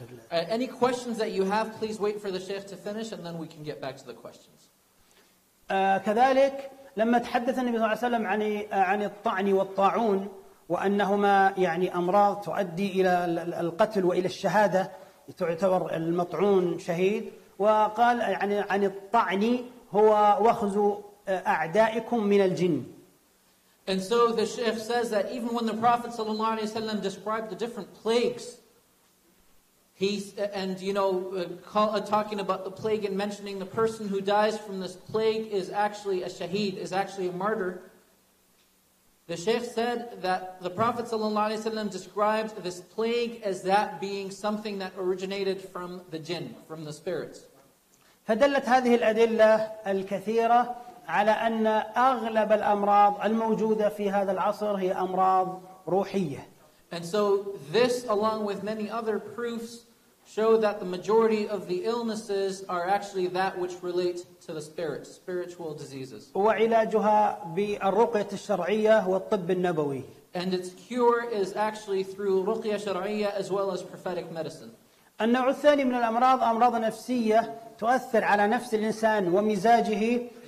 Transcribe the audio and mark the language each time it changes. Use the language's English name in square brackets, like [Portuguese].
[English] Any questions that you have, please wait for the Sheikh to finish and then we can get back to the questions. [Arabic] كذلك لما تحدث النبي صلى الله عليه وسلم عن الطعن والطاعون وأنهما يعني أمراض تؤدي إلى القتل وإلى الشهادة، تعتبر المطعون شهيد، وقال عن الطعن هو وخز أعدائكم من الجن. [English] And so the Sheikh says that even when the Prophet sallallahu alaihi wasallam described the different plagues, he and you know call, talking about the plague and mentioning the person who dies from this plague is actually a shaheed, is actually a martyr. The Sheikh said that the Prophet sallallahu alaihi wasallam described this plague as that being something that originated from the jinn, from the spirits. [Arabic] فدلت هذه الأدلة الكثيرة على أن أغلب الأمراض الموجودة في هذا العصر هي أمراض روحية. [English] And so this, along with many other proofs, show that the majority of the illnesses are actually that which relate to the spirits, spiritual diseases. [Arabic] وعلاجها بالرقية الشرعية والطب النبوي. [English] And its cure is actually through [Arabic] رقية شرعية [English] as well as prophetic medicine. [Arabic] النوع الثاني من الأمراض أمراض نفسية تؤثر على نفس الإنسان ومزاجه.